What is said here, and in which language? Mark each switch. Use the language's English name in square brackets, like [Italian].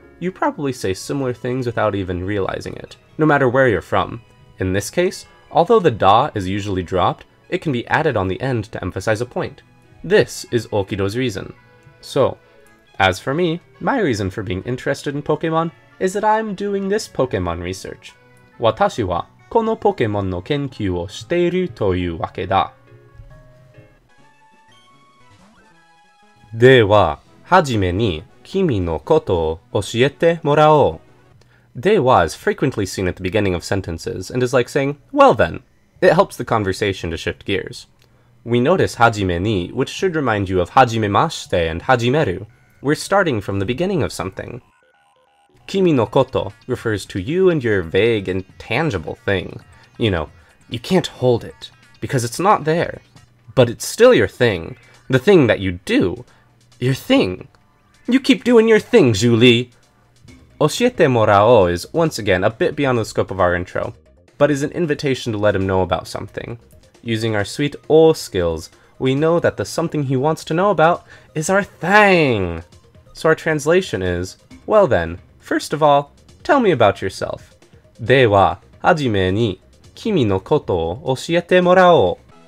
[English] You probably say similar things without even realizing it, no matter where you're from. In this case, although the da is usually dropped, it can be added on the end to emphasize a point. This is Okido's reason. So, as for me, my reason for being interested in Pokemon is that I'm doing this Pokemon research. [Japanese] 私はこのポケモンの研究をしているというわけだ。では、はじめに君のことを教えてもらおう。 [English] では is frequently seen at the beginning of sentences and is like saying, well then. It helps the conversation to shift gears. We notice [Japanese] はじめに, [English] which should remind you of [Japanese] はじめまして [English] and [Japanese] はじめる. [English] We're starting from the beginning of something. [Japanese] 君のこと [English] refers to you and your vague and tangible thing. You know, you can't hold it, because it's not there. But it's still your thing. The thing that you do. Your thing. You keep doing your thing, Julie! [Japanese] 教えてもらおう [English] is, once again, a bit beyond the scope of our intro, but is an invitation to let him know about something. Using our sweet O skills, we know that the something he wants to know about is our thang! So our translation is, well then, first of all, tell me about yourself. [Japanese] では、はじめに、君のことを教えてもらおう。